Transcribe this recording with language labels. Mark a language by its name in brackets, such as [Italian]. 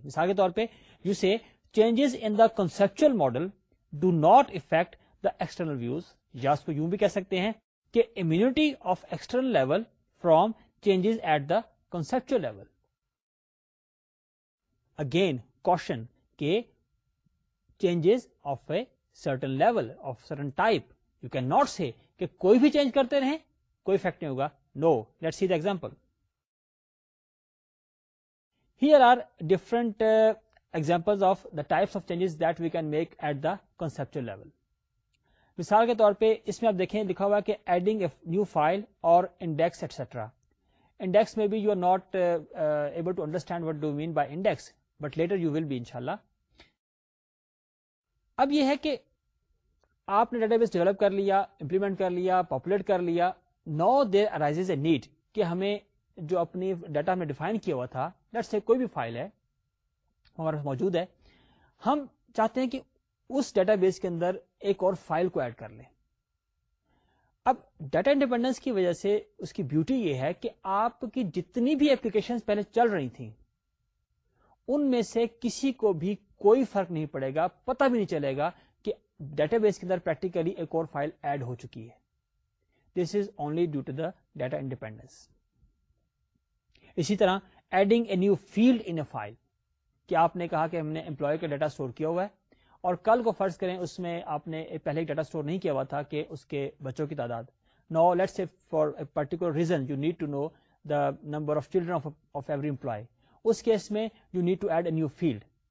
[Urdu] مثال کے طور پہ [English] you say changes in the conceptual model do not affect the external views, [Urdu] یا اس کو یوں بھی کہہ سکتے ہیں کہ [English] Immunity of external level from changes at the conceptual level. Again caution کہ changes of a certain level of certain type, you can not say [Urdu] کہ کوئی بھی چینج کرتے رہیں کوئی افیکٹ نہیں ہوگا. [English] No, let see the example. Here are different example of the types of changes that we can make at the conceptual level. [Urdu] مثال کے طور پہ اس میں آپ دیکھیں لکھا ہوا کہ [English] Adding a new file اور index etcetera. Index maybe you are not able to understand what do mean by index, but later you will be انشاءاللہ. [Urdu] اب یہ ہے کہ آپ نے ڈیٹا بیس ڈیولپ کر لیا, امپلیمنٹ کر لیا, پاپولیٹ کر لیا. [English] now there arises a need [Urdu] کہ ہمیں جو اپنی ڈیٹا ہم نے ڈیفائن کیا ہوا تھا, لیٹس سے کوئی بھی فائل ہے ہمارے پاس موجود ہے, ہم چاہتے ہیں کہ اس ڈیٹا بیس کے اندر ایک اور فائل کو ایڈ کر لیں. اب ڈیٹا انڈیپینڈنس کی وجہ سے اس کی بیوٹی یہ ہے کہ آپ کی جتنی بھی اپلیکیشنز پہلے چل رہی تھیں ان میں سے کسی کو بھی کوئی فرق نہیں پڑے گا, پتہ بھی نہیں چلے گا کہ ڈیٹا بیس کے اندر پریکٹیکلی ایک اور فائل ایڈ ہو چکی ہے. [English] This is only due to the data independence. [Urdu] اسی طرح [English] adding a new field in a file, [Urdu] کہ آپ نے کہا کہ ہم نے امپلائی کا ڈیٹا اسٹور کیا ہوا ہے اور کل کو فرض کریں اس میں آپ نے پہلے ڈیٹا اسٹور نہیں کیا ہوا تھا کہ اس کے بچوں کی تعداد. [English] now let's say for a particular reason you need to know the number of children of every employee, [Urdu] اس case میں [English] You need to add a new field.